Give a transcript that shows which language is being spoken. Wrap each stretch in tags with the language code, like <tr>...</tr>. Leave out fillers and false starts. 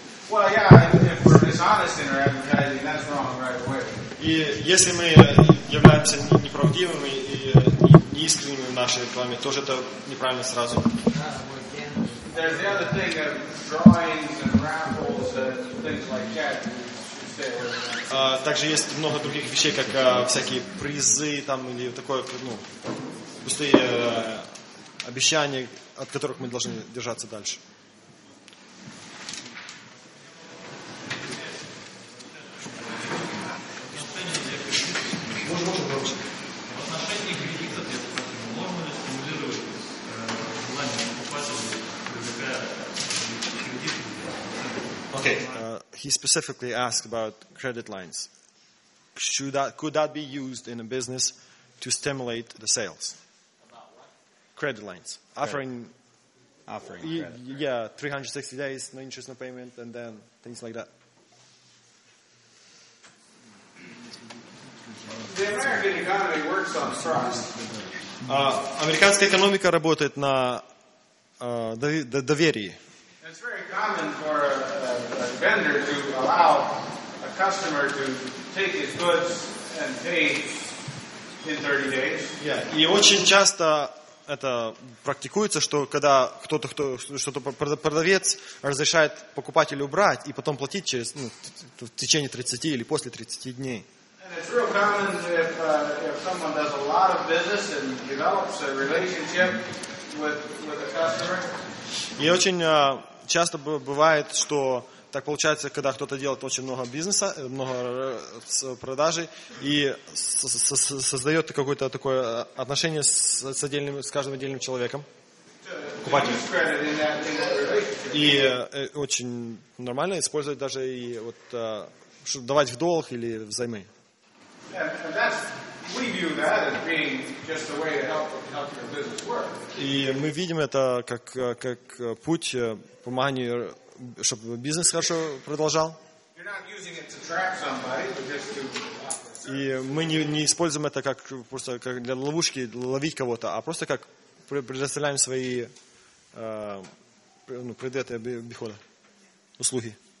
<en>Well, yeah, if we're dishonest in our advertising, that's wrong right away.</en> <ru>И если мы являемся неправдивыми и неискренними в нашей рекламе, тоже это неправильно сразу.</ru> <en>There's the other thing of drawings and raffles and things like that.</en> <ru>Также есть много других вещей, как всякие призы там или такое, ну, пустые обещания, от которых мы должны держаться дальше.</ru> <en>He specifically asked about credit lines. Could that be used in a business to stimulate the sales? Credit lines. Offering credit. Yeah, 360 days, no interest, no payment, and then things like that. The American economy works on trust.</en> <ru>Американская экономика работает на доверии.</ru> <en>It's very common for a vendor to allow a customer to take his goods and pay in 30 days.</en> <ru>Yeah. И очень часто это практикуется, что когда кто-то продавец разрешает покупателю брать и потом платить через в течение 30 или после 30 дней.</ru> <en>And it's real common if someone does a lot of business and develops a relationship with a customer.</en> <ru>И очень часто бывает, что так получается, когда кто-то делает очень много бизнеса, много продажей и создает какое-то такое отношение с каждым отдельным человеком, покупателем. И очень нормально использовать даже и давать в долг или взаймы. Yeah,</ru> <en>We view that as being just a way to help your business work.</en> <ru>И мы видим это как путь помогания, чтобы бизнес хорошо продолжал.</ru> <en>You're not using it to trap somebody, but just to.</en> <ru>И мы не используем это как просто как для ловушки, ловить кого-то, а просто как предоставляем свои предметы обихода, услуги.</ru>